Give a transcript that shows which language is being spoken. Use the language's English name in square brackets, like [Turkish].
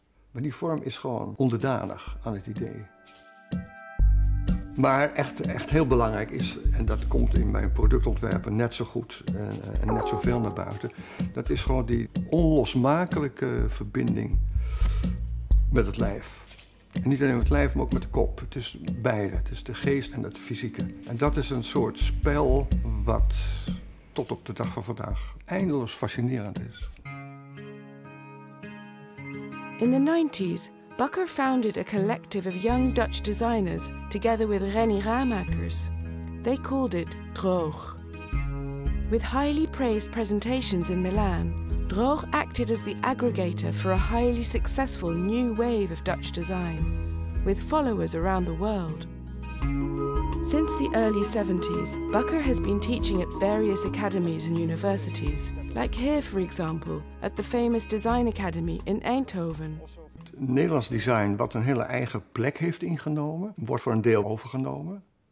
[Dutch] Maar die vorm is gewoon onderdanig aan het idee. Maar echt heel belangrijk is, en dat komt in mijn productontwerpen net zo goed en net zoveel naar buiten, dat is gewoon die onlosmakelijke verbinding met het lijf. En niet alleen met het lijf, maar ook met de kop. Het is beide. Het is de geest en het fysieke. En dat is een soort spel wat tot op de dag van vandaag eindeloos fascinerend is. [English] In the 90s, Bakker founded a collective of young Dutch designers together with Renny Ramakers. They called it Droog. With highly praised presentations in Milan, Droog acted as the aggregator for a highly successful new wave of Dutch design, with followers around the world. Since the early 70s, Bakker has been teaching at various academies and universities, like here, for example, at the famous design academy in Eindhoven. [Dutch] Nederlands design, wat een hele eigen plek heeft ingenomen, wordt voor een deel overgenomen.